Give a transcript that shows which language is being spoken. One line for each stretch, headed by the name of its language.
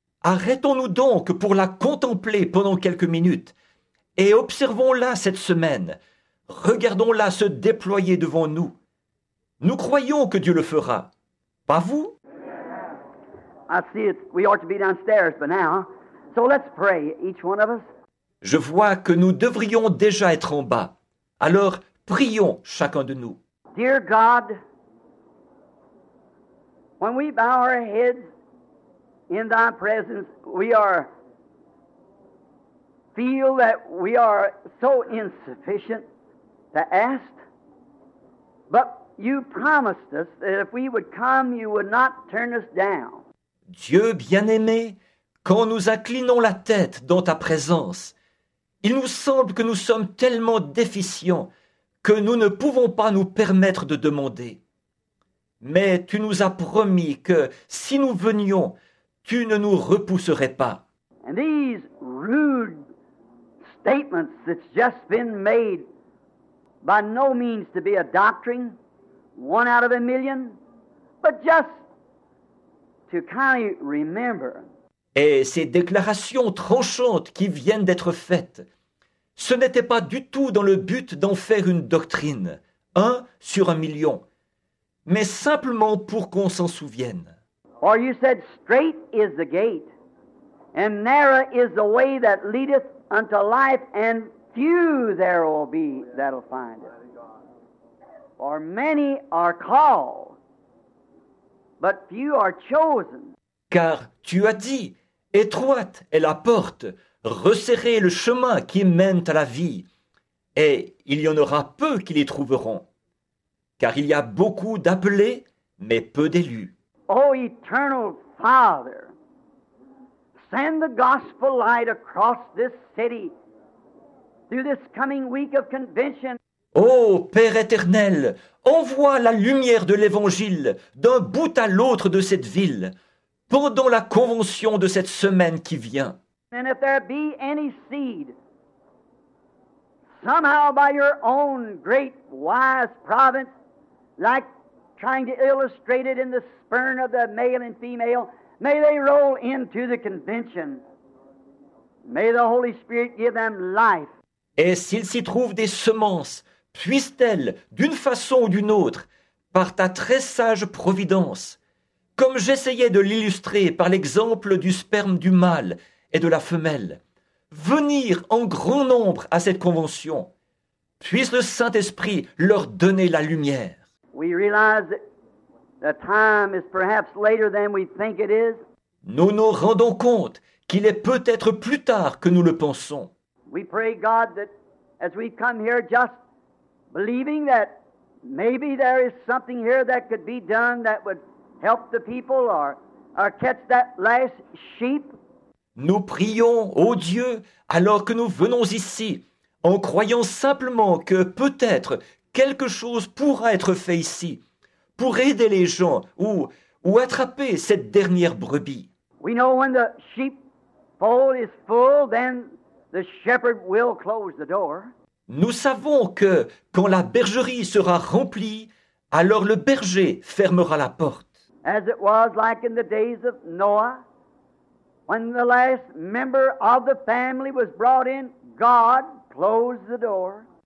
French: Arrêtons-nous donc pour la contempler pendant quelques minutes et observons-la cette semaine. Regardons-la se déployer devant nous. Nous croyons que Dieu le fera. Pas vous?
English: I see it. We ought to be downstairs by now. So let's pray, each one of us.
French: Je vois que nous devrions déjà être en bas. Alors, prions chacun de nous.
English: Dear God, when we bow our heads in thy presence, we feel that we are so insufficient to ask. But you promised us that if we would come, you would not turn us down.
French: Dieu bien-aimé, quand nous inclinons la tête dans ta présence, il nous semble que nous sommes tellement déficients que nous ne pouvons pas nous permettre de demander. Mais tu nous as promis que si nous venions, tu ne nous repousserais pas.
English: And these rude statements that's just been made, by no means to be a doctrine, one out of a million, but just to kindly remember.
French: Et ces déclarations tranchantes qui viennent d'être faites, ce n'était pas du tout dans le but d'en faire une doctrine, un sur un million, mais simplement pour qu'on s'en souvienne.
English: Or you said, straight is the gate, and narrow is the way that leadeth unto life, and few there will be that'll find it. For many are called, but few are chosen.
French: Car tu as dit, étroite est la porte, resserré le chemin qui mène à la vie, et il y en aura peu qui les trouveront. Car il y a beaucoup d'appelés, mais peu d'élus.
English: O eternal Father, send the gospel light across this city through this coming week of convention.
French: Ô Père éternel, envoie la lumière de l'Évangile d'un bout à l'autre de cette ville pendant la convention de cette semaine qui vient.
English: And if there be any seed, somehow by your own great wise providence, like trying to illustrate it in the spurn of the male and female, may they roll into the convention. May the Holy Spirit give them life.
French: Et s'il s'y trouve des semences, puissent-elles, d'une façon ou d'une autre, par ta très sage providence, comme j'essayais de l'illustrer par l'exemple du sperme du mâle et de la femelle, venir en grand nombre à cette convention, puisse le Saint-Esprit leur donner la lumière.
English: We realize that the time is perhaps later than we think it is.
French: Nous nous rendons compte qu'il est peut-être plus tard que nous le pensons.
English: We pray, God, that as we come here just believing that maybe there is something here that could be done that would help the people or catch that last sheep.
French: Nous prions, ô Dieu, alors que nous venons ici, en croyant simplement que peut-être quelque chose pourra être fait ici pour aider les gens ou attraper cette dernière brebis.
English: We know when the sheep fold is full, then the shepherd will close the door.
French: Nous savons que quand la bergerie sera remplie, alors le berger fermera la porte.
English: As it was like in the days of Noah, when the last member of the family was brought in, God closed the door.